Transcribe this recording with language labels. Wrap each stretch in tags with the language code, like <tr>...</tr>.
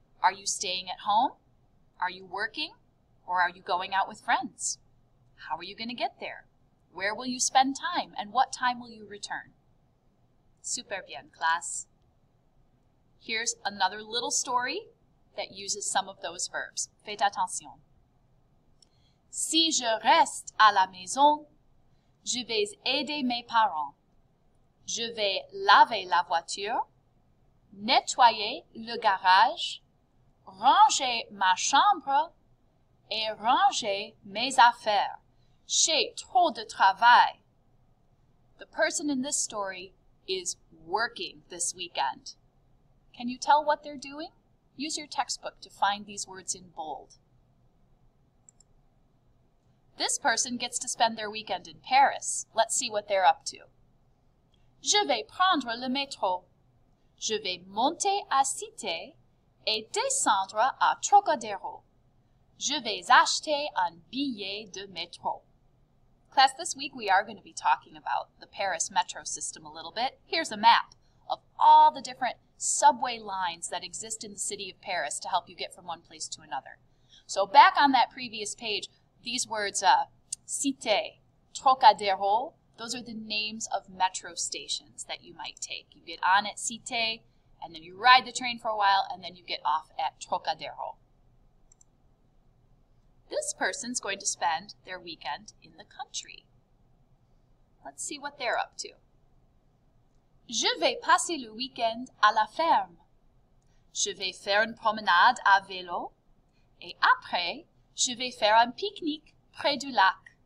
<en>Are you staying at home? Are you working? Or are you going out with friends? How are you going to get there? Where will you spend time? And what time will you return?</en> <fr>Super bien,</fr> <en>class. Here's another little story that uses some of those verbs.</en> <fr>Faites attention. Si je reste à la maison, je vais aider mes parents. Je vais laver la voiture, nettoyer le garage, ranger ma chambre et ranger mes affaires. J'ai trop de travail.</fr> <en>The person in this story is working this weekend. Can you tell what they're doing? Use your textbook to find these words in bold. This person gets to spend their weekend in Paris. Let's see what they're up to.</en> <fr>Je vais prendre le métro. Je vais monter à Cité et descendre à Trocadéro. Je vais acheter un billet de métro.</fr> <en>Class, this week we are going to be talking about the Paris metro system a little bit. Here's a map of all the different subway lines that exist in the city of Paris to help you get from one place to another. So back on that previous page, these words, Cité, Trocadéro, those are the names of metro stations that you might take. You get on at Cité, and then you ride the train for a while, and then you get off at Trocadéro. This person's going to spend their weekend in the country. Let's see what they're up to.</en> <fr>Je vais passer le week-end à la ferme. Je vais faire une promenade à vélo. Et après, je vais faire un pique-nique près du lac.</fr>